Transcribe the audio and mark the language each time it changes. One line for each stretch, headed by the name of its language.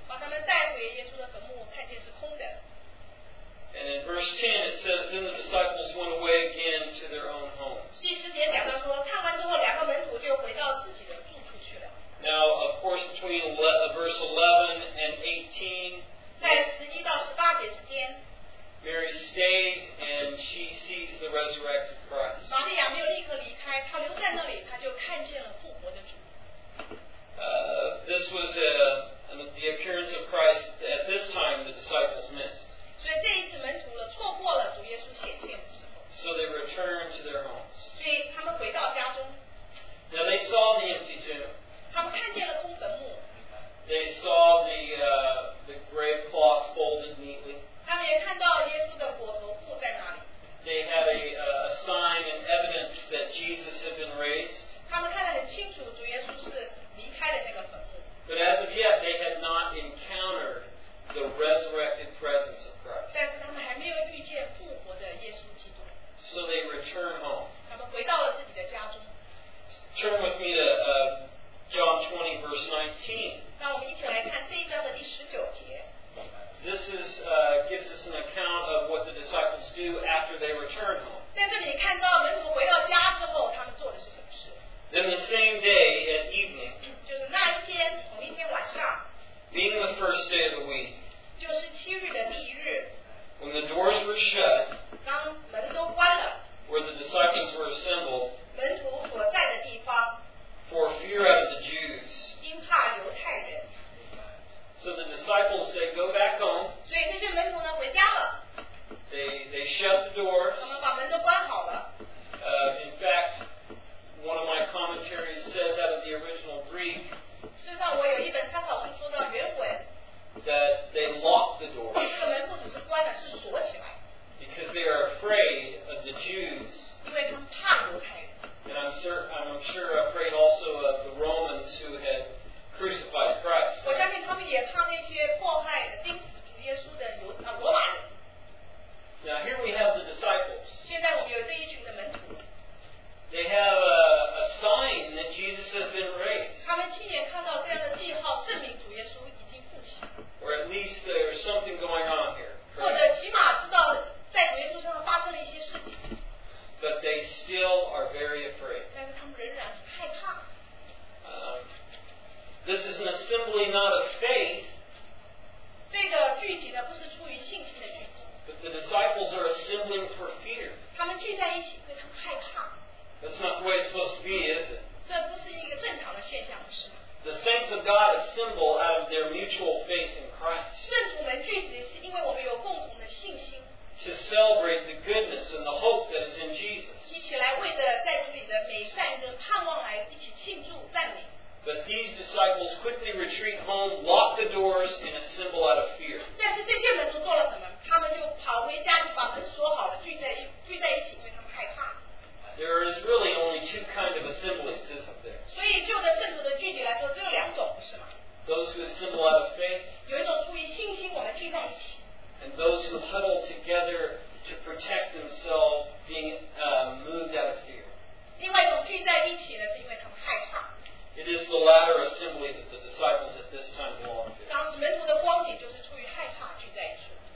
Chinese: 把他们带回耶稣的坟墓，看见是空的。
English: And in verse 10 it says, then the disciples went away again to their own homes.
Chinese: 第十节讲到说，看完之后，两个门徒就回到自己的住处去了。
English: Now, of course, between verse 11 and 18,
Chinese: 在十一到十八节之间。
English: Mary stays and she sees the resurrected Christ.
Chinese: 玛利亚没有立刻离开，她留在那里，她就看见了复活的主。
English: This was the appearance of Christ at this time the disciples missed.
Chinese: 所以这一次门徒了错过了主耶稣显现的时候。
English: So they returned to their homes.
Chinese: 所以他们回到家中。
English: Now they saw the empty tomb.
Chinese: 他们看见了空坟墓。
English: They saw the grave cloth folded neatly.
Chinese: 他们也看到耶稣的果头附在哪里。
English: They have a sign and evidence that Jesus had been raised.
Chinese: 他们看得很清楚，主耶稣是离开了那个坟墓。
English: But as of yet, they had not encountered the resurrected presence of Christ.
Chinese: 但是他们还没有遇见复活的耶稣基督。
English: So they return home.
Chinese: 他们回到了自己的家中。
English: Turn with me to John 20, verse 19.
Chinese: 那我们一起来看这一章的第十九节。
English: This is, gives us an account of what the disciples do after they return home. Then the same day at evening,
Chinese: 就是那一天，同一天晚上,
English: being the first day of the week,
Chinese: 就是七日的第一日,
English: when the doors were shut,
Chinese: 当门都关了,
English: where the disciples were assembled,
Chinese: 门徒所在的地方,
English: for fear of the Jews,
Chinese: 因怕犹太人。
English: So the disciples, they go back home.
Chinese: 所以那些门徒呢回家了。
English: They shut the doors.
Chinese: 他们把门都关好了。
English: In fact, one of my commentaries says out of the original Greek.
Chinese: 事实上，我有一本参考书说到原文。
English: That they lock the doors.
Chinese: 这个门不只是关了，是锁起来。
English: Because they are afraid of the Jews.
Chinese: 因为他们怕犹太人。
English: And I'm sure afraid also of the Romans who had. Crucified Christ.
Chinese: 我相信他们也怕那些迫害钉死主耶稣的罗马人。
English: Now here we have the disciples.
Chinese: 现在我们有这一群的门徒。
English: They have a sign that Jesus has been raised.
Chinese: 他们亲眼看到这样的记号，证明主耶稣已经复起。
English: Or at least there's something going on here.
Chinese: 或者起码知道在主耶稣身上发生了一些事情。
English: But they still are very afraid.
Chinese: 但是他们仍然害怕。
English: This is an assembly not of faith.
Chinese: 这个聚集呢，不是出于信心的聚集。
English: But the disciples are assembling for fear.
Chinese: 他们聚在一起，因为他们害怕。
English: That's not the way it's supposed to be, is it?
Chinese: 这不是一个正常的现象，不是吗？
English: The saints of God assemble out of their mutual faith in Christ.
Chinese: 圣徒们聚集是因为我们有共同的信心。
English: To celebrate the goodness and the hope that is in Jesus.
Chinese: 一起来为着在主里的美善跟盼望来一起庆祝赞美。
English: But these disciples quickly retreat home, lock the doors, and assemble out of fear.
Chinese: 但是这些门徒做了什么？他们就跑回家，就把门锁好了，聚在一起，因为他们害怕。
English: There is really only two kind of assemblies, isn't there?
Chinese: 所以就着圣徒的聚集来说，只有两种，是吗？
English: Those who assemble out of faith.
Chinese: 有一种出于信心，我们聚在一起。
English: And those who huddle together to protect themselves, being moved out of fear.
Chinese: 另外一种聚在一起呢，是因为他们害怕。
English: It is the latter assembly that the disciples at this time belong to.
Chinese: 当时门徒的光景就是出于害怕聚在一起。